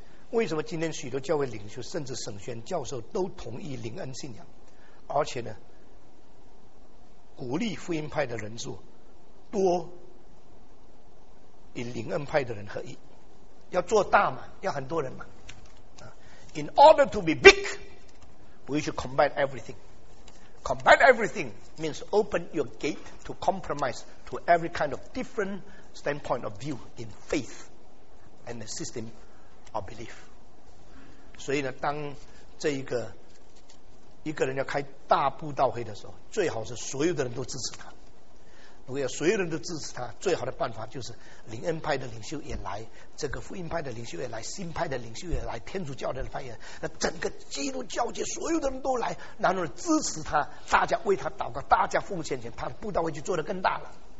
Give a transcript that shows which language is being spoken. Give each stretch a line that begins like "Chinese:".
Chinese: 为什么今天许多教会领袖甚至神学教授都同意灵恩信仰，而且呢鼓励福音派的人数多与灵恩派的人合一？要做大嘛，要很多人嘛。
English: In order to be big we should combine everythingCombine everything means open your gate to compromise to every kind of different standpoint of view in faith and the system of belief.
Chinese: 所以呢，当这一个人要开大布道会的时候，最好是所有的人都支持他。如果要所有人都支持他，最好的办法就是灵恩派的领袖也来，这个福音派的领袖也来，新派的领袖也来，天主教的派也来，整个基督教界所有的人都来，然后支持他，大家为他祷告，大家奉献钱，他的布道会就做得更大了。